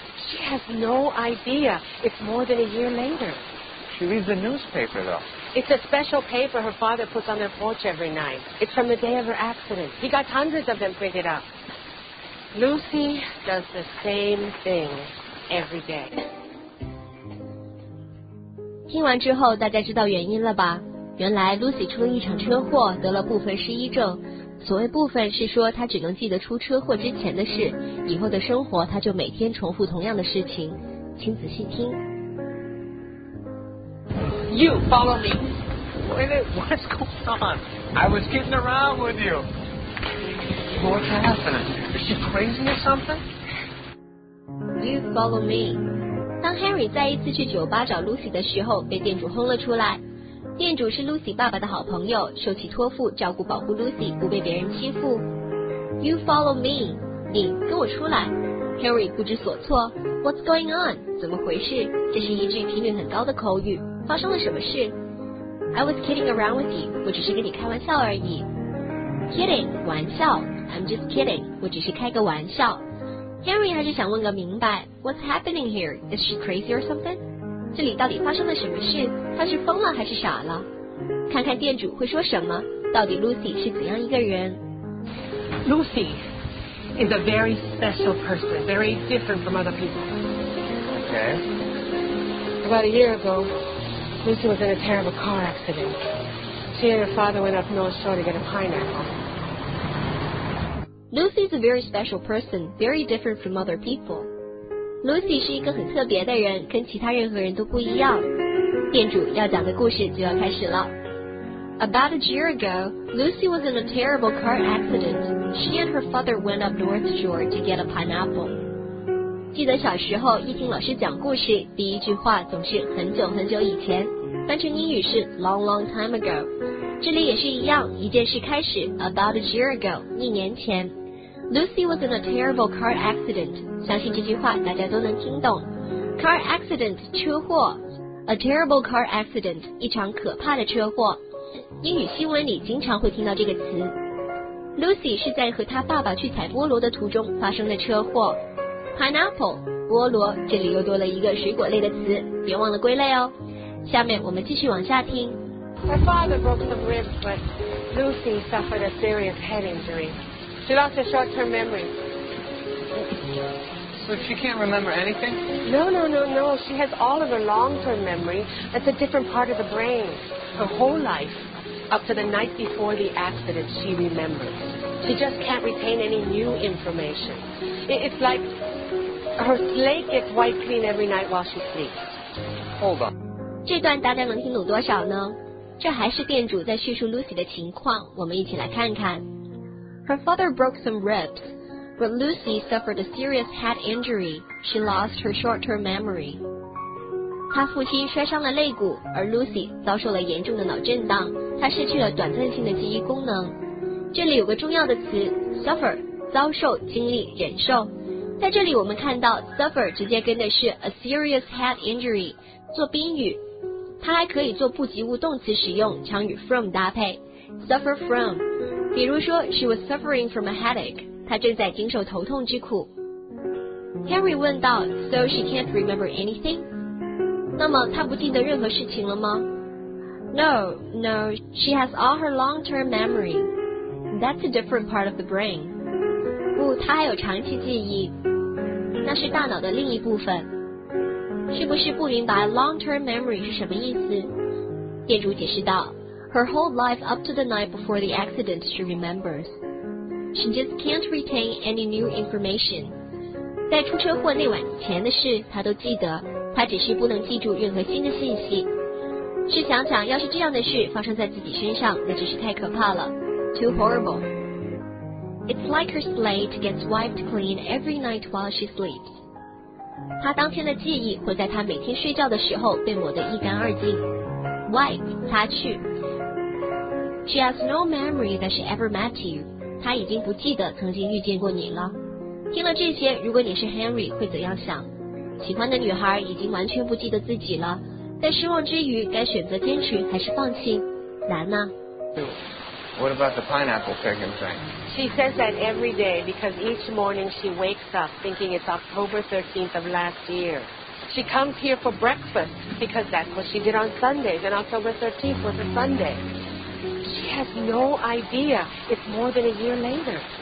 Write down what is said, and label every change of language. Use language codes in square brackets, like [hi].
[en] She has no idea it's more than a year later. She reads the newspaper, though. It's a special paper her father puts on their porch every night. It's from the day of her accident. He got hundreds of them printed up. Lucy does the same thing every day. [zh] 听完之后，大家知道原因了吧？原来 Lucy 出了一场车祸，得了部分失忆症。所谓部分是说她只能记得出车祸之前的事，以后的生活她就每天重复同样的事情。请仔细听。 [en] You follow me. Wait, what's going on? I was getting around with you. What's happening? Is she crazy or something? You follow me. [zh] 当 Henry 再一次去酒吧找 Lucy 的时候，被店主轰了出来。店主是 Lucy 爸爸的好朋友，受其托付照顾保护 Lucy 不被别人欺负。 [en] You follow me. [zh] 你跟我出来。Henry 不知所措。 [en] What's going on? [zh] 怎么回事？这是一句频率很高的口语。发生了什么事？ [en] I was kidding around with you. [zh] 我只是跟你开玩笑而已。 Kidding, 玩笑。 [en] I'm just kidding. [zh] 我只是开个玩笑。 Henry 还是想问个明白。 [en] What's happening here? Is she crazy or something? [zh] 这里到底发生了什么事？她是疯了还是傻了？看看店主会说什么？到底 Lucy 是怎样一个人？ [en] Lucy is a very special person, very different from other people. Okay. About a year ago,Lucy was in a terrible car accident. She and her father went up North Shore to get a pineapple. Lucy is a very special person, very different from other people. [zh] Lucy 是一个很特别的人，跟其他任何人都不一样。店主要讲的故事就要开始了。 [en] About a year ago, Lucy was in a terrible car accident. She and her father went up North Shore to get a pineapple. [zh] 记得小时候一听老师讲故事，第一句话总是很久很久以前，翻成英语是 [en] long long time ago。 [zh] 这里也是一样，一件事开始 [en] about a year ago， [zh] 一年前。 [en] Lucy was in a terrible car accident， [zh] 相信这句话大家都能听懂。 car accident 车祸， [en] A terrible car accident, [zh] 一场可怕的车祸。英语新闻里经常会听到这个词。Lucy 是在和她爸爸去采菠萝的途中发生了车祸。 Pineapple, 菠萝，这里又多了一个水果类的词，别忘了归类哦。下面我们继续往下听。 [en] My father broke some ribs, but Lucy suffered a serious head injury. She lost her short-term memory. So she can't remember anything? No. She has all of her long-term memory. That's a different part of the brain. Her whole life, up to the night before the accident, she remembers. She just can't retain any new information. It's like her slate gets wiped clean every night while she sleeps. Hold on. [zh] 这段大家能听懂多少呢？这还是店主在叙述 Lucy 的情况，我们一起来看看。 [en] Her father broke some ribs, but Lucy suffered a serious head injury. She lost her short-term memory. [zh] 她父亲摔伤了肋骨，而 Lucy 遭受了严重的脑震荡，她失去了短暂性的记忆功能。这里有个重要的词 ，suffer， 遭受、经历、忍受。在这里我们看到 suffer 直接跟的是 [en] a serious head injury， [zh] 做宾语。它还可以做不及物动词使用，常与 from 搭配 ，suffer from。比如说 ， [en] she was suffering from a headache， [zh] 她正在经受头痛之苦。 Henry 问道 ， [en] So she can't remember anything？ [zh] 那么她不记得任何事情了吗 ？No. [en] She has all her long-term memory. That's a different part of the brain. [zh] 不，她还有长期记忆，那是大脑的另一部分。是不是不明白 long-term memory 是什么意思？店主解释道 [en] ，Her whole life up to the night before the accident, she remembers. She just can't retain any new information. [zh] 在出车祸那晚以前的事，她都记得，她只是不能记住任何新的信息。试想想，要是这样的事发生在自己身上，那真是太可怕了 ， [en] too horrible. It's like her slate gets wiped clean every night while she sleeps. [zh] 他当天的记忆会在他每天睡觉的时候被抹得一干二净。 Wipe, 擦去。 [en] She has no memory that she ever met you. [zh] 他已经不记得曾经遇见过你了。听了这些，如果你是 Henry, 会怎样想？喜欢的女孩已经完全不记得自己了，在失望之余，该选择坚持还是放弃？难呢。 [en] What about the pineapple picking thing? She says that every day because each morning she wakes up thinking it's October 13th of last year. She comes here for breakfast because that's what she did on Sundays, and October 13th was a Sunday. She has no idea it's more than a year later.